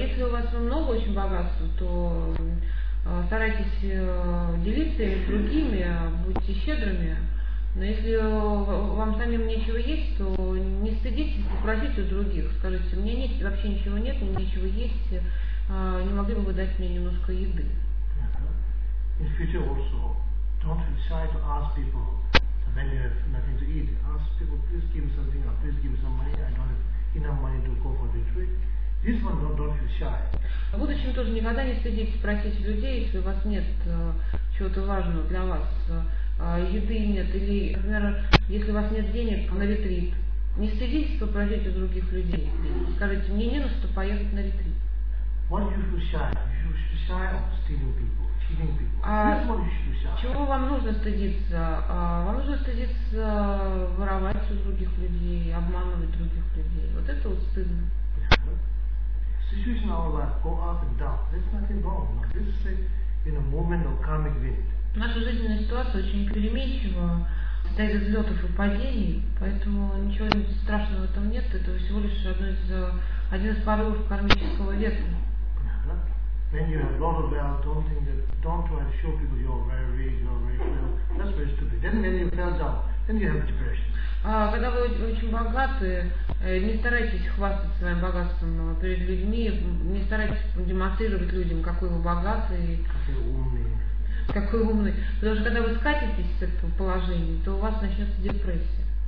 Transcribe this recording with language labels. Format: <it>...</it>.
<ru>Если у вас много очень богатства, то старайтесь делиться с другими, будьте щедрыми. Но если вам самим нечего есть, то не стыдитесь, попросите у других. Скажите, мне нет, вообще ничего нет, мне нечего есть. Не могли бы вы дать мне немножко еды?</ru> <en>In future also, don't be shy to ask people when you have nothing to eat. Ask people, please give me something or please give me some money. I don't have enough money to go for the trip. This one don't feel shy.</en> <ru>В будущем тоже никогда не стыдитесь просить людей, если у вас нет чего-то важного для вас, еды нет, или, например, если у вас нет денег на ретрит. Не стыдитесь попросить у других людей. Скажите, мне не на что поехать на ретрит.</ru> <en>What you feel shy? You feel shy of stealing people, cheating people. This one you feel shy.</en> <ru>Чего вам нужно стыдиться? Вам нужно стыдиться воровать у других людей, обманывать других людей. Вот это вот стыдно.</ru> <en>Situation in our life go up and down. There's nothing wrong. No, this is in a moment of karmic wind.</en> <ru>Наша жизненная ситуация очень переменчива, состоит из взлетов и падений, поэтому ничего страшного в этом нет. Это всего лишь один из порывов кармического ветра.</ru> <en>When you have a lot of wealth, don't think that, don't try to show people you're very rich, you're very well. That's very stupid. Then when you fell down, then you have depression.</en> <ru>Когда вы очень богаты, не старайтесь хвастаться своим богатством перед людьми, не старайтесь демонстрировать людям, какой вы богатый. Какой умный. Потому что когда вы скатитесь с этого положения, то у вас начнется депрессия.</ru>